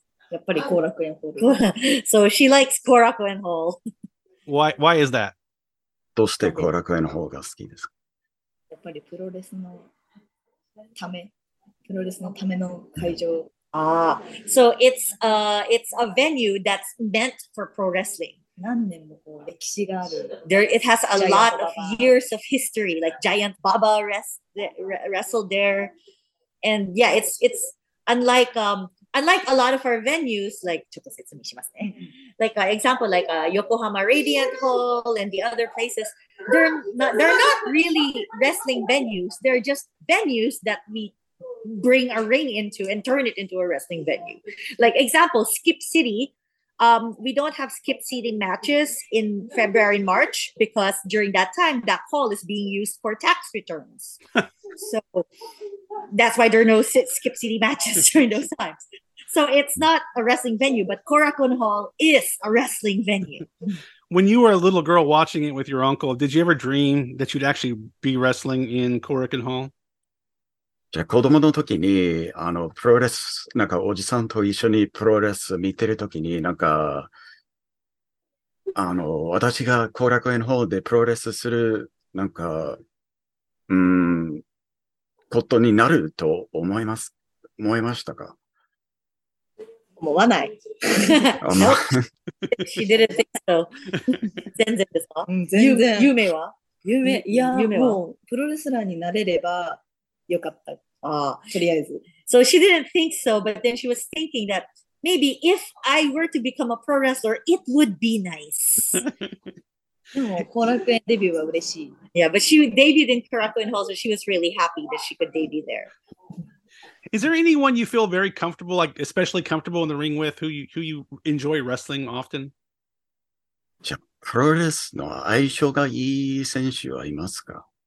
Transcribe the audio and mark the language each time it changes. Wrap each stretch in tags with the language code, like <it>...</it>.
<ja>やっぱり後楽園ホール。</ja> <en>So she likes 後楽園ホール。 Why is that?</en> <ja>どうして後楽園ホールが好きですか？やっぱりプロレスのため、プロレスのための会場。</ja> <en>ああ、So it's a venue that's meant for pro wrestling.</en> <ja>何年もこう歴史がある。</ja> <en>There, it has a lot of years of history, like Giant Baba wrestled there. And yeah, it's unlike a lot of our venues, like,</en> <ja>ちょっと説明しますね。</ja> <en>Like, example, like, Yokohama Radiant Hall and the other places, they're not really wrestling venues. They're just venues that we bring a ring into and turn it into a wrestling venue. Like, example, Skip City. We don't have skip seating matches in February and March because during that time, that hall is being used for tax returns. So... That's why there are no skip city matches during those times. So it's not a wrestling venue, but Korakuen Hall is a wrestling venue. When you were a little girl watching it with your uncle, did you ever dream that you'd actually be wrestling in Korakuen Hall?</en> <ja>じゃあ子供の時にプロレス、なんかおじさんと一緒にプロレス見てる時に、なんか私が Korakuen Hall でプロレスする、なんか、ことになると思いましたか？思わない。</ja> <en>She didn't think so.</en> <ja>全然ですか？全然。夢は？夢、いや、もうプロレスラーになれればよかった。とりあえず。</ja> <en>So she didn't think so, but then she was thinking that maybe if I were to become a pro wrestler, it would be nice. Yeah, but she debuted in Korakuen Hall, so she was really happy that she could debut there. Is there anyone you feel very comfortable, like especially comfortable in the ring with, who you enjoy wrestling often?</en> <ja>じゃあ、プロレスの相性がいい選手はいますか？</ja>